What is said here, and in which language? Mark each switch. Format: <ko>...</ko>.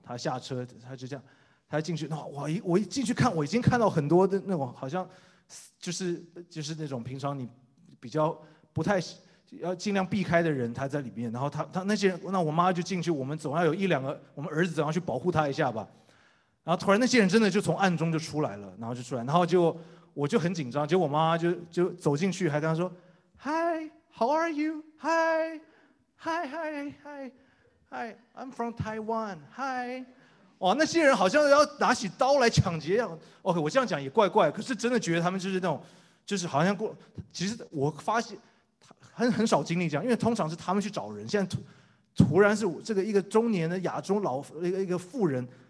<zh>她下车，她就这样，她进去，我一进去看，我已经看到很多的那种好像就是那种平常你比较不太要尽量避开的人，她在里面。然后她那些人，那我妈就进去，我们总要有一两个，我们儿子总要去保护她一下吧。然后突然那些人真的就从暗中就出来了，然后就出来，然后就我就很紧张，结果我妈就走进去，还跟她说 ，</zh> <en>Hi, how are you? Hi, hi, hi, hi, hi, I'm from Taiwan.</en> <zh>Hi， 哇，那些人好像要拿起刀来抢劫一样。 OK， 我这样讲也怪怪，可是真的觉得他们就是那种，就是好像过。其实我发现很少经历这样，因为通常是他们去找人，现在突然是这个一个中年的亚洲老一个富人。</zh>